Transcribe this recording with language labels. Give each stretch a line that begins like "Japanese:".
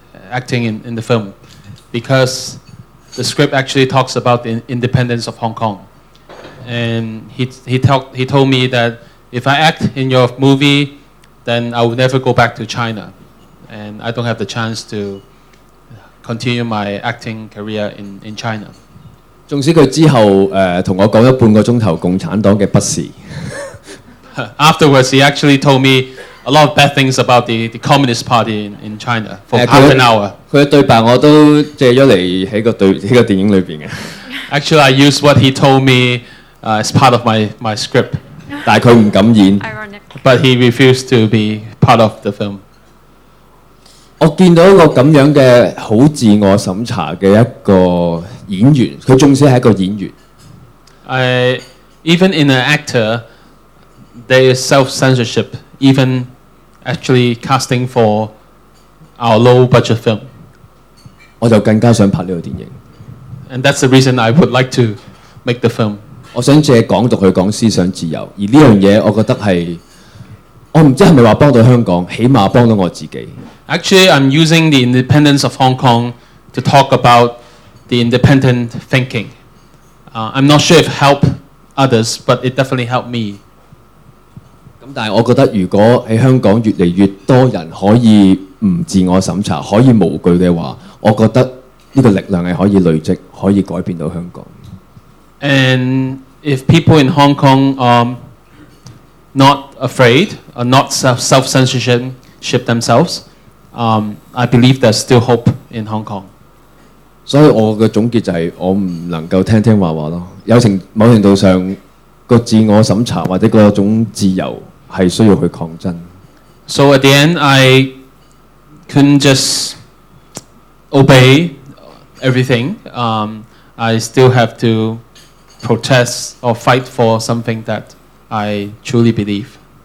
English: acting in the film because the script actually talks about the independence of Hong Kong, and he told me that if I act in your movie, then I will never go back to China, and I don't have the chance to continue my acting career in China.
Cantonese: 縱使佢之後同我講咗半個鐘頭共產黨嘅不是。
English: Afterwards, he actually told me a lot of bad things about the Communist Party in China for half an hour.
Cantonese: 佢嘅對白我都借咗嚟喺個對喺個電影裏邊嘅。
English: Actually, I used what he told me as part of my script.
Cantonese: 但係佢唔敢演。
English: But he refused to be part of the film.
Cantonese: 我見到一個咁樣嘅好自我審查嘅一個演員，佢縱使係一個演員。
English: Even in an actor, there is self-censorship. Even actually casting for our low budget film.
Cantonese: 我就更加想拍呢個電影。
English: And that's the reason I would like to make the film.
Cantonese: 我想借港獨去講思想自由，而呢樣嘢我覺得係，我唔知係咪話幫到香港，起碼幫到我自己。
English: Actually, I'm using the independence of Hong Kong to talk about the independent thinking. I'm not sure if it helped others, but it definitely helped me.
Cantonese: 但我覺得如果在香港越來越多人可以不自我審查，可以無懼的話，我覺得這個力量是可以累積，可以改變到香港。
English: And if people in Hong Kong are not afraid, are not self-censorship themselves, I believe there's still hope in Hong Kong.
Cantonese: 所以我的總結就是我不能夠聽聽話話，有程某程度上個自我審查或者那種自由是需要去抗爭。
English: So at the end, I couldn't just obey everything. I still have to protest or fight for something that I truly believe.